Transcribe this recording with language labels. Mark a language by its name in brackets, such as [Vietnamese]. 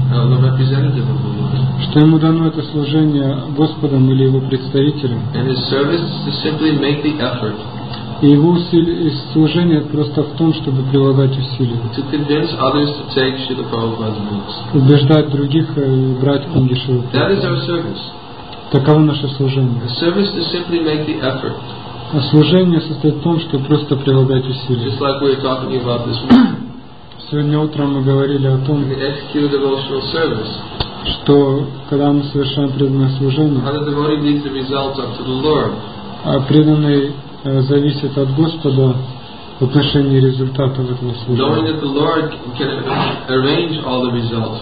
[Russian] Что ему дано это служение Господом или его представителем. [English] And his service is to simply make the effort. [Russian] И его служение просто в том, чтобы прилагать усилия. [English] To convince others to take Srila Prabhupada's books. [Russian] Убеждать других брать книги Шрилы [English] Прабхупады. That is our service. [Russian] Таково наше служение. [English] The service is simply make the effort. [Russian] А служение состоит в том, чтобы просто прилагать усилия. [English] Just like we were talking about this morning. [Russian] Сегодня утром мы говорили о том, [English] the execute devotional service. [Russian] Что когда мы совершаем преданное служение, [English] how the devotee leaves the results up to the Lord. [Russian] А преданный зависит от Господа в отношении результатов этого служения.